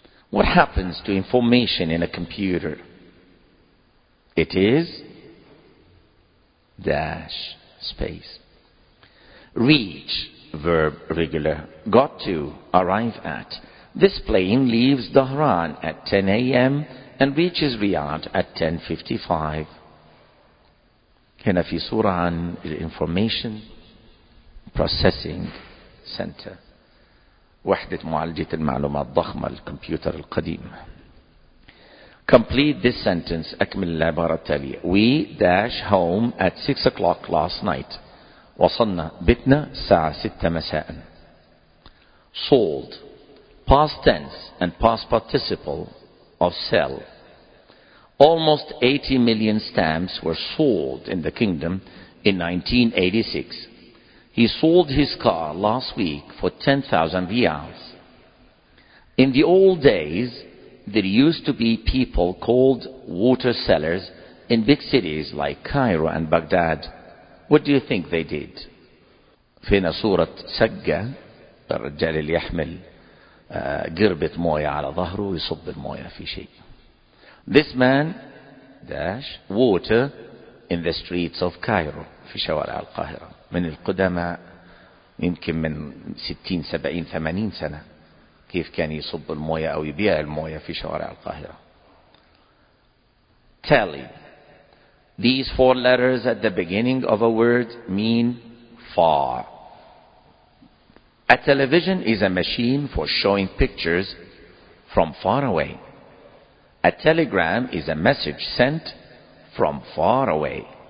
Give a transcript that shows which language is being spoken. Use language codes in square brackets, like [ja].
[en] What happens to information in a computer? It is dash space. Reach, verb regular, got to, arrive at. This plane leaves Tehran at 10 a.m. and reaches Riyadh at 10:55. [ar] هنا في صورة عن [en] information processing center. [ar] وحدة معالجة المعلومات ضخمة الكمبيوتر القديم. [en] Complete this sentence. [ar] أكمل العبارة التالية. [en] We dash home at 6 o'clock last night. [ar] وصلنا بيتنا الساعة 6 مساء. [en] Sold. Past tense and past participle of sell. Almost 80 million stamps were sold in the kingdom in 1986. He sold his car last week for 10,000 riyals. In the old days, there used to be people called water sellers in big cities like Cairo and Baghdad. What do you think they did? [ar] فينا صورة سجة الرجال اللي يحمل قربة موية على ظهره ويصب الموية في شيء. [en] This man dash water in the streets of Cairo, [ar] في شوارع القاهرة. من القدماء يمكن من 60 70 80 سنة كيف كان يصب الموية أو يبيع الموية في شوارع القاهرة. [en] Tally. These four letters at the beginning of a word mean far. A television is a machine for showing pictures from far away. A telegram is a message sent from far away.